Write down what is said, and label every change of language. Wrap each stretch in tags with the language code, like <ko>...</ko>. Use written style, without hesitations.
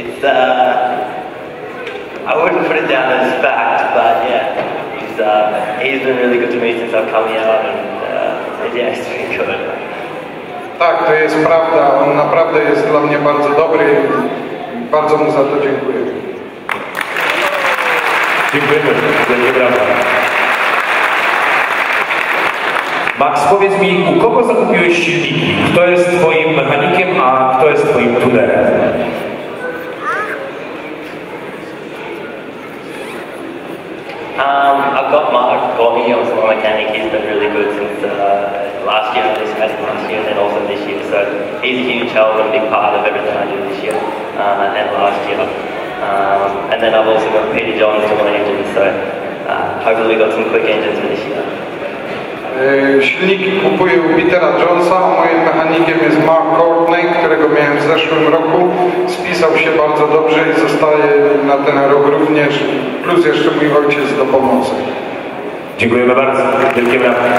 <en>I wouldn't put it down as fact, but yeah, he's been really good to me since I've come here, and yeah, it's been good.</en> <pl>Tak, to jest prawda. On naprawdę jest dla mnie bardzo dobry. Bardzo mu za to dziękuję. Dziękujemy. Dziękuję bardzo. Max, powiedz mi, u kogo zakupiłeś silniki? Kto jest twoim mechanikiem, a kto jest twoim tunerem?</pl> <en>I've got Mark Gormi, also my mechanic. He's been really good since last year, this past last year, and then also this year. So he's a huge help and a big part of everything I do this year and last year. And then I've also got Peter Johns to my engine, so hopefully we've got some quick engines for this year.</en> <pl>Silniki kupuję u Petera Jonesa, moim mechanikiem jest Mark Courtney, którego miałem w zeszłym roku. Spisał się bardzo dobrze i zostaje na ten rok również, plus jeszcze mój ojciec do pomocy. Dziękujemy bardzo, wielkie brawa.</pl>